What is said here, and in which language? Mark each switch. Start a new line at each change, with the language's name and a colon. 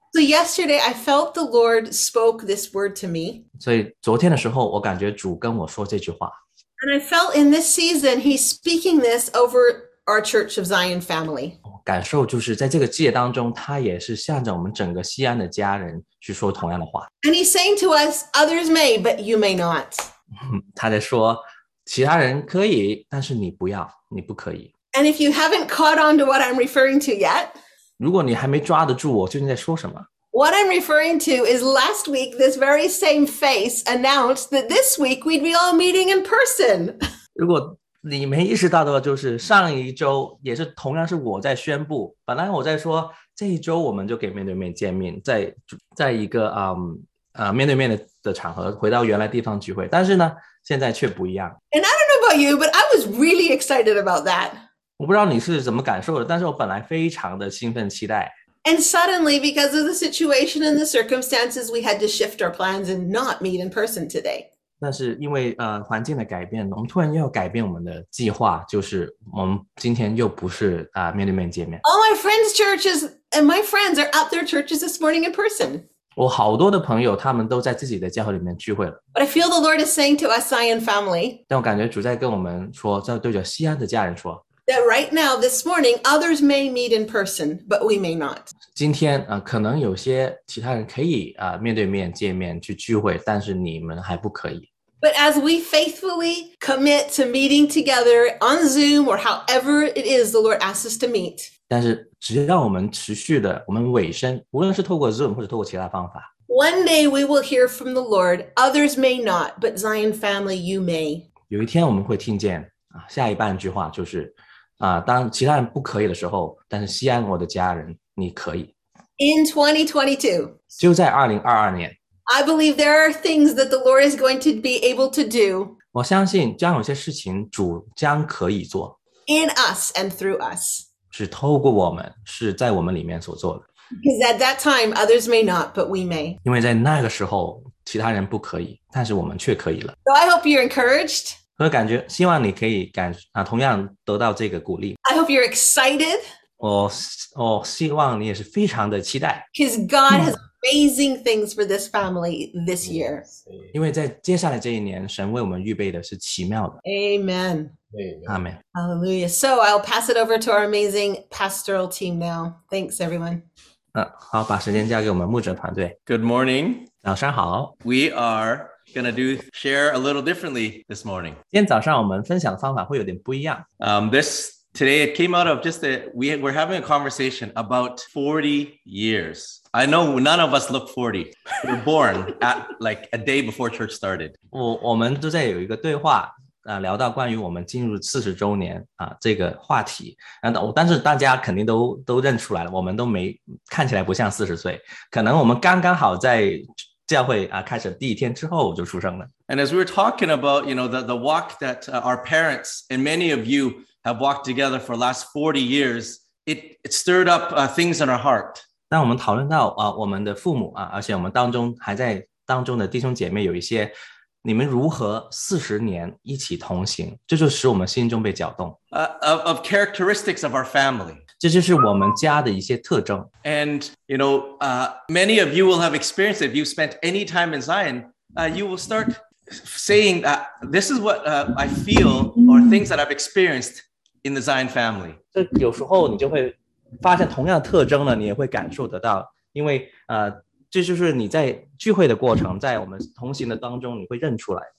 English: So yesterday, I felt the Lord spoke this word to me.
Chinese: 所以昨天的时候，我感觉主跟我说这句话。
English: And I felt in this season, he's speaking this over our Church of Zion family.
Chinese: 感受就是在这个季节当中，他也是向着我们整个西安的家人去说同样的话。
English: And he's saying to us, others may, but you may not.
Chinese: 他在说，其他人可以，但是你不要，你不可以。
English: And if you haven't caught on to what I'm referring to yet,
Chinese: 如果你还没抓得住我究竟在说什么？
English: What I'm referring to is last week, this very same face announced that this week we'd be all meeting in person.
Chinese: 如果你没意识到的话，就是上一周也是同样是我在宣布，本来我在说这一周我们就可以面对面见面，在一个面对面的场合回到原来地方聚会，但是呢现在却不一样。
English: And I don't know about you, but I was really excited about that.
Chinese: 我不知道你是怎么感受的，但是我本来非常的兴奋期待。
English: And suddenly, because of the situation and the circumstances, we had to shift our plans and not meet in person today.
Chinese: 但是因为环境的改变，我们突然要改变我们的计划，就是我们今天又不是面对面见面。
English: All my friends' churches and my friends are at their churches this morning in person.
Chinese: 我好多的朋友他们都在自己的教会里面聚会了。
English: But I feel the Lord is saying to us, Zion family.
Chinese: 但我感觉主在跟我们说，在对着西安的家人说。
English: That right now, this morning, others may meet in person, but we may not.
Chinese: 今天可能有些其他人可以面对面见面去聚会，但是你们还不可以。
English: But as we faithfully commit to meeting together on Zoom or however it is the Lord asks us to meet.
Chinese: 但是只要我们持续的，我们委身，无论是透过 Zoom 或者透过其他方法。
English: One day we will hear from the Lord, others may not, but Zion family, you may.
Chinese: 有一天我们会听见下一半句话就是当其他人不可以的时候，但是西安我的家人你可以。
English: In 2022,
Chinese: 就在2022年，
English: I believe there are things that the Lord is going to be able to do
Chinese: 我相信将有些事情主将可以做。
English: In us and through us.
Chinese: 是透过我们，是在我们里面所做的。
English: Because at that time, others may not, but we may.
Chinese: 因为在那个时候，其他人不可以，但是我们却可以了。
English: So I hope you're encouraged.
Chinese: 我感觉，希望你可以感，啊，同样得到这个鼓励。
English: I hope you're excited.
Chinese: 我希望你也是非常的期待。
English: Because God has amazing things for this family this year.
Chinese: 因为在接下来这一年，神为我们预备的是奇妙的。
English: Amen. Amen. Hallelujah. So I'll pass it over to our amazing pastoral team now. Thanks, everyone.
Chinese: 好，把时间交给我们牧者团队。
English: Good morning.
Chinese: 早上好。
English: We are going to do share a little differently this morning.
Chinese: 今天早上我们分享的方法会有点不一样。
English: Today it came out of just that we're having a conversation about 40 years. I know none of us look 40. We're born at like a day before church started.
Chinese: 我们都在有一个对话。聊到关于我们进入40周年这个话题，但是大家肯定都认出来了，我们都没看起来不像40岁，可能我们刚刚好在教会开始第一天之后就出生了。
English: And as we were talking about, you know, the walk that our parents and many of you have walked together for the last 40 years, it stirred up things in our heart.
Chinese: 当我们讨论到我们的父母而且我们当中还在当中的弟兄姐妹有一些你们如何40年一起同行，这就使我们心中被搅动。
English: Of characteristics of our family.
Chinese: 这就是我们家的一些特征。
English: And, you know, many of you will have experienced, if you've spent any time in Zion, you will start saying that this is what I feel or things that I've experienced in the Zion family.
Chinese: 这有时候你就会发现同样的特征了，你也会感受得到，因为这就是你在聚会的过程，在我们同行的当中，你会认出来。